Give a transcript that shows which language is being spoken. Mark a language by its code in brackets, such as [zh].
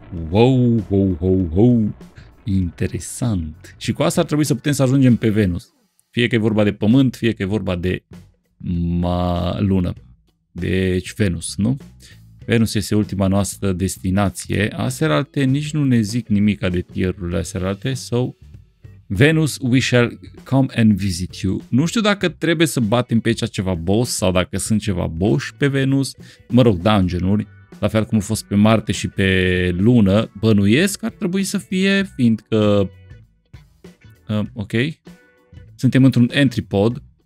[ro] Wow, wow, wow, wow. Interesant. Și cu asta ar trebui să putem să ajungem pe Venus. Fie că e vorba de pământ, fie că e vorba de Lună. Deci Venus, nu? Venus este ultima noastră destinație. Aseralte nici nu ne zic nimica de tier-urile aseralte. [en] So, Venus, we shall come and visit you. [ro] Nu știu dacă trebuie să batem pe aici ceva boss sau dacă sunt ceva boss pe Venus. Mă rog, dungeon-uri. La fel cum a fost pe Marte și pe Lună, bănuiesc ar trebui să fie, fiindcă, ok, suntem într-un entry pod,